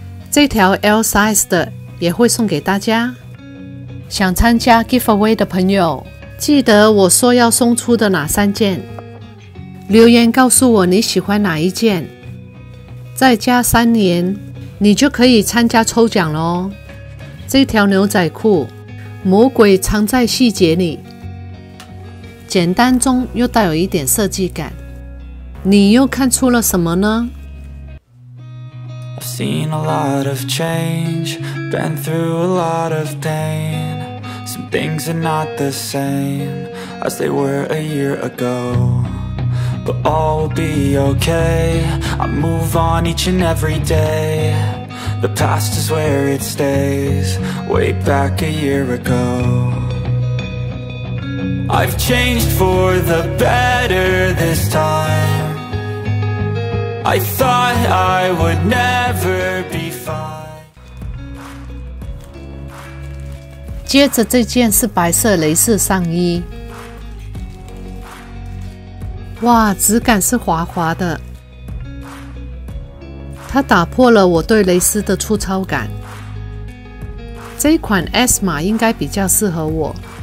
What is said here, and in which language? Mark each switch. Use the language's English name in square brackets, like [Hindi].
[Chinese] 这条 L size 的也会送给大家，想参加 giveaway 的朋友记得我说要送出的哪三件，留言告诉我你喜欢哪一件，再加三年你就可以参加抽奖咯。这条牛仔裤，魔鬼藏在细节里，简单中又带有一点设计感，你又看出了什么呢？ [English] I've seen a lot of change, been through a lot of pain. Some things are not the same as they were a year agoBut all will be okay, I move on each and every day. The past is where it stays, way back a year ago. I've changed for the better this time. I thought I would never be fine. [Chinese] 接着这件是白色蕾丝上衣，哇，质感是滑滑的。它打破了我对蕾丝的粗糙感。这一款 S 码应该比较适合我。